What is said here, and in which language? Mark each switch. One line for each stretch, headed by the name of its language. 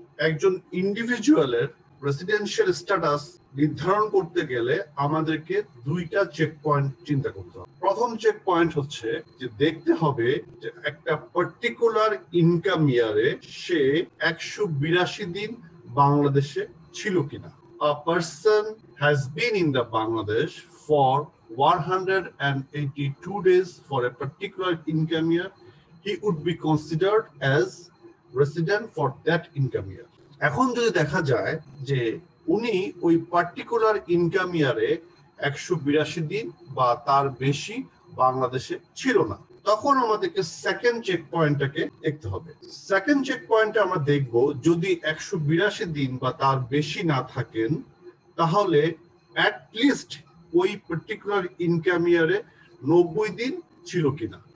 Bangla: একজন ইন্ডিভিজুয়ালের residential status নির্ধারণ করতে গেলে আমাদেরকে দুইটা চেক পয়েন্ট চিন্তা করতে হবে। প্রথম চেক পয়েন্ট হচ্ছে যে দেখতে হবে যে একটা পার্টিকুলার ইনকাম ইয়ারে সে 182 দিন বাংলাদেশে ছিল কিনা।
English: A person has been in the Bangladesh for 182 days for a particular income year, he would be considered as resident for that income year.
Bangla: এখন যদি দেখা যায় যে উনি ওই পার্টিকুলার ইনকাম ইয়ারে 182 দিন বা তার বেশি বাংলাদেশে ছিল না, তখন আমাদেরকে সেকেন্ড চেক পয়েন্টটাকে দেখতে হবে। সেকেন্ড চেক পয়েন্টে আমরা দেখব যদি 182 দিন বা তার বেশি না থাকেন তাহলে অ্যাটলিস্ট ওই পার্টিকুলার ইনকাম ইয়ারে 90 দিন ছিল কিনা।